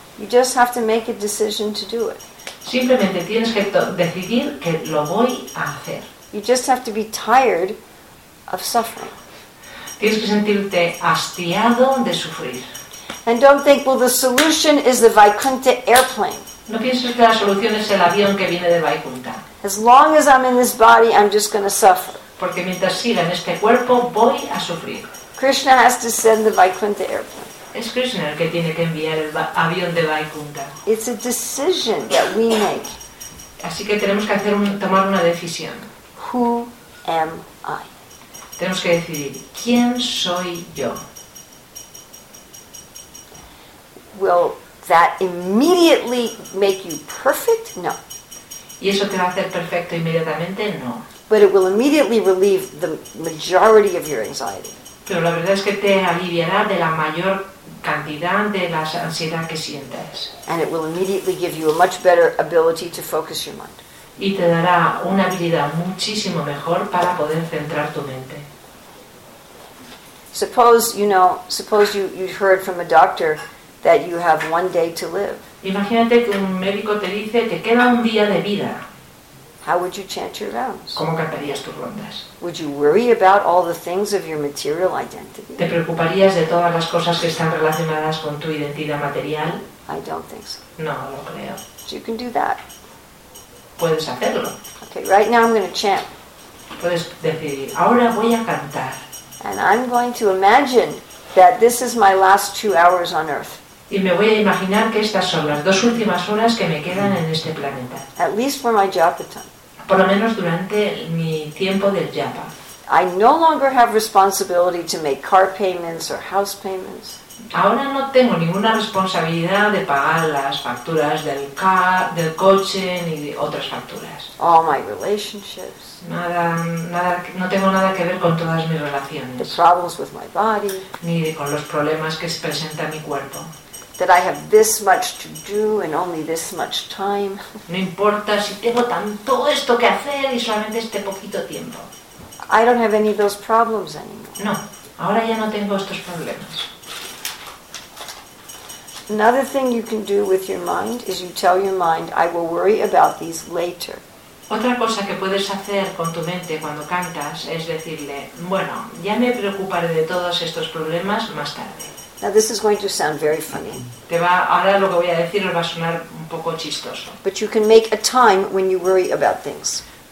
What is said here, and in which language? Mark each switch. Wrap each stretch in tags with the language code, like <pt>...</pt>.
<en>You just have to make a decision to do it.</en> <es>Simplemente tienes que decidir que lo voy a hacer.</es> <en>You just have to be tired of suffering.</en> <es>Tienes que sentirte hastiado de sufrir.</es> <en>And don't think, well, the solution is the Vaikuntha airplane.</en> <es>No pienses que la solución es el avión que viene de Vaikuntha.</es> <en>As long as I'm in this body, I'm just going to suffer.</en> <es>Porque mientras siga en este cuerpo, voy a sufrir.</es> <en>Krishna has to send the Vaikuntha airplane.</en> <es>Es Krishna el que tiene que enviar el avión de Vaikuntha.</es> <en>It's a decision that we make.</en> <es>Así que tenemos que tomar una decisión.</es> <en>Who am I?</en> <es>Tenemos que decidir, ¿quién soy yo?</es> <en>Will that immediately make you perfect? No.</en> <es>¿Y eso te va a hacer perfecto inmediatamente? No.</es> <en>But it will immediately relieve the majority of your anxiety.</en> <es>Pero la verdad es que te aliviará de la mayor cantidad de la ansiedad que sientes.</es> <en>And it will immediately give you a much better ability to focus your mind.</en> <es>Y te dará una habilidad muchísimo mejor para poder centrar tu mente.</es> <en>Suppose you'd heard from a doctor that you have one day to live.</en> <es>Imagínate que un médico te dice que queda un día de vida.</es> <en>How would you chant your vows?</en> <es>¿Cómo cantarías tus rondas?</es> <en>Would you worry about all the things of your material identity?</en> <es>¿Te preocuparías de todas las cosas que están relacionadas con tu identidad material?</es> <en>I don't think so.</en> <es>No lo creo.</es> <en>But you can do that.</en> <es>Puedes hacerlo.</es> <en>Okay, right now I'm going to chant.</en> <es>Puedes decir, ahora voy a cantar.</es> <en>And I'm going to imagine that this is my last 2 hours on earth.</en> <es>Y me voy a imaginar que estas son las 2 últimas horas que me quedan en este planeta.</es> <en>At least for my japa time.</en> <es>Por lo menos durante mi tiempo del japa.</es> <en>I no longer have responsibility to make car payments or house payments.</en> <es>Ahora no tengo ninguna responsabilidad de pagar las facturas del coche ni de otras facturas.</es> <en>All my relationships.</en> <es>Nada, no tengo nada que ver con todas mis relaciones.</es> <en>The problems with my body.</en> <es>Ni con los problemas que presenta mi cuerpo.</es> <en>That I have this much to do and only this much time.</en> <es>No importa si tengo tanto esto que hacer y solamente este poquito tiempo.</es> <en>I don't have any of those problems anymore.</en> <es>No, ahora ya no tengo estos problemas.</es> <en>Another thing you can do with your mind is you tell your mind, I will worry about these later.</en> <es>Otra cosa que puedes hacer con tu mente cuando cantas es decirle, bueno, ya me preocuparé de todos estos problemas más tarde.</es> <en>Now this is going to sound very funny.</en> <es>Ahora lo que voy a decir os va a sonar un poco chistoso.</es> <en>But you can make a time when you worry about things.</en>